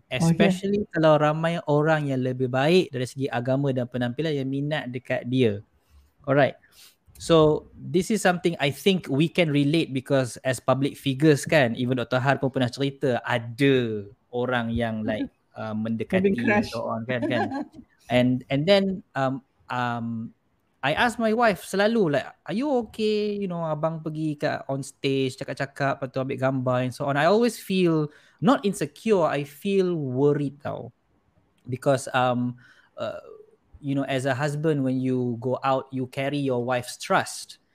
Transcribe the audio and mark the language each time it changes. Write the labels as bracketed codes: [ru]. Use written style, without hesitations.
[ms] Especially kalau ramai orang yang lebih baik dari segi agama dan penampilan yang minat dekat dia. [en] Alright. So this is something I think we can relate because as public figures [ms] kan, [en] even Dr. [ms] Har pun pernah cerita ada orang yang [en] like [ms] mendekati orang kan. [en] And then I ask my wife [ms] selalu [en] like, are you okay? [ms] You know, abang pergi kat [en] on stage, [ms] cakap-cakap, lepas tu ambil gambar [en] and so on. I always feel not insecure, I feel worried [ms] tau. [en] Because, you know, as a husband, when you go out, you carry your wife's trust.